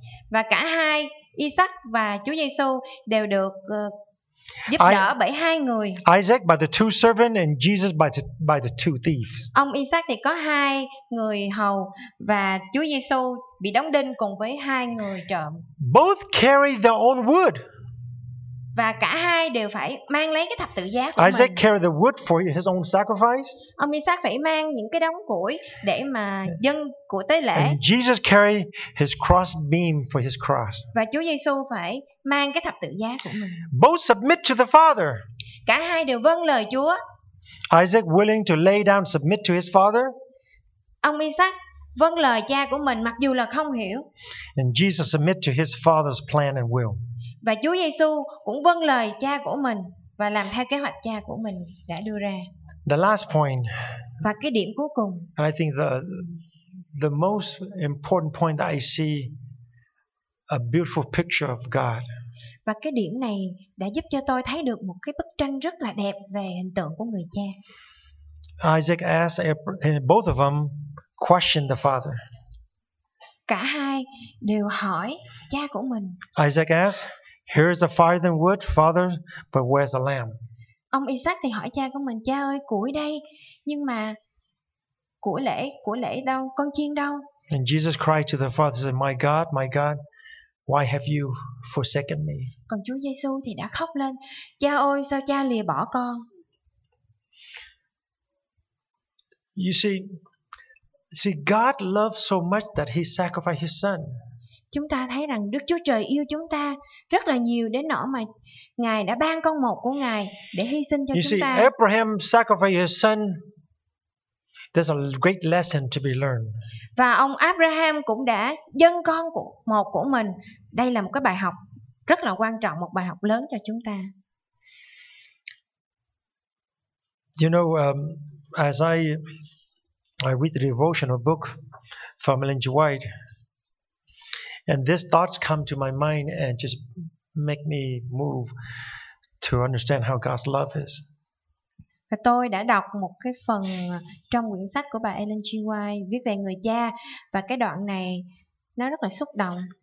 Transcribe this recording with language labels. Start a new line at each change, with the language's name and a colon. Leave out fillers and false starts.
Vietnamese: Và cả hai, Isaac và Chúa Giêsu đều được giúp đỡ bởi hai người.
English: Isaac by the 2 servants and Jesus by the 2 thieves.
Vietnamese: Ông Isaac thì có hai người hầu và Chúa Giêsu bị đóng đinh cùng với hai người trộm.
English: Both carry their own wood.
Vietnamese: Và cả hai đều phải mang lấy cái thập tự giá của
English: Isaac
Vietnamese: mình.
English: Isaac carry the wood for his own sacrifice.
Vietnamese: Ông Isaac phải mang những cái đống củi để mà dâng của tế lễ.
English: And Jesus carry his cross beam for his cross.
Vietnamese: Và Chúa Giêsu phải mang cái thập tự giá của mình.
English: Both submit to the Father.
Vietnamese: Cả hai đều vâng lời Chúa.
English: Isaac willing to lay down submit to his Father.
Vietnamese: Ông Isaac vâng lời cha của mình mặc dù là không hiểu.
English: And Jesus submit to his Father's plan and will.
Vietnamese: Và Chúa Giêsu cũng vâng lời cha của mình và làm theo kế hoạch cha của mình đã đưa ra.
English: The last point.
Vietnamese: Và cái điểm cuối cùng.
English: And I think the most important point that I see a beautiful picture of God.
Vietnamese: Và cái điểm này đã giúp cho tôi thấy được một cái bức tranh rất là đẹp về hình tượng của người cha.
English: Isaac asked both of them questioned the Father.
Vietnamese: Cả hai đều hỏi cha của mình.
English: Isaac asked, "Here is the fire and wood, Father, but where's the lamb?"
Vietnamese: Ông Isaac thì hỏi cha của mình, "Cha ơi, củi đây, nhưng mà củi lễ đâu? Con chiên đâu?"
English: And Jesus cried to the Father, said, my God, why have you forsaken me?"
Vietnamese: Còn Chúa Giêsu thì đã khóc lên, "Cha ơi, sao cha lìa bỏ con?"
English: You see, God loves so much that he sacrificed his son.
Vietnamese: Chúng ta thấy rằng Đức Chúa Trời yêu chúng ta rất là nhiều đến nỗi mà Ngài đã ban con một của Ngài để hy sinh cho
English: you
Vietnamese: chúng
English: see,
Vietnamese: ta.
English: Abraham sacrificed his son. There's a great lesson to be learned.
Vietnamese: Và ông Abraham cũng đã dâng con một của mình. Đây là một cái bài học rất là quan trọng, một bài học lớn cho chúng ta.
English: You know, as I read the devotional book from Ellen G. White, and these thoughts come to my mind and just make me move to understand how God's love is.
Vietnamese: Và tôi đã đọc một cái phần trong quyển sách của bà Ellen G. White viết về người cha, và cái đoạn này nó rất là xúc động.